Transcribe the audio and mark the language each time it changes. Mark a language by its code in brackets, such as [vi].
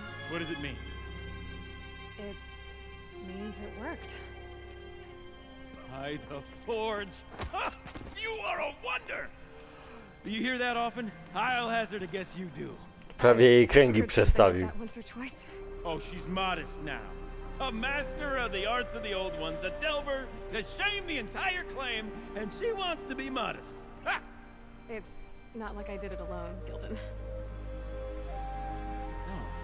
[en] What does it mean? It means it worked. By the forge. You are a wonder. Do you hear that often? I'll hazard a guess you do. [pl] Prawie jej kręgi przestawił. [en] Oh, she's modest now. A master of the arts of the old ones, a delver, to shame the entire clan, and she wants to be modest. Ha! It's not like I did it alone, Gildan. No.